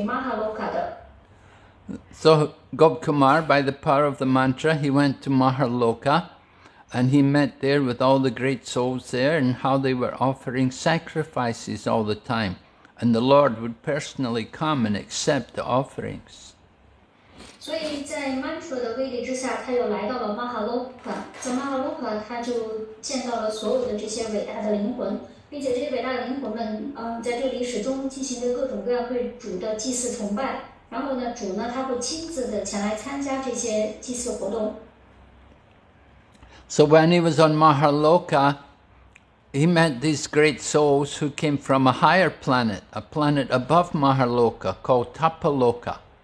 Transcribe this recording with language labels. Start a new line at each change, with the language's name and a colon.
Chinese: 然后呢，他又遇到了一些来自于天堂星球更高的星球的这些圣人们。那这些圣人们呢，是来自于Mahaloka的。So
English: Gop Kumar, by the power of the mantra, he went to Mahaloka, and he met there with all the great souls there, and how they were offering sacrifices all the time, and the Lord would personally come and accept the offerings.
Chinese: 所以在曼陀的威力之下，他又来到了马哈洛克。在马哈洛克，他就见到了所有的这些伟大的灵魂，并且这些伟大的灵魂们，在这里始终进行着各种各样对主的祭祀崇拜。然后呢，主呢，他会亲自的前来参加这些祭祀活动。So
English: when he was on Mahaloka, he met these great souls who came from a higher planet, a planet above Mahaloka called Tapaloka.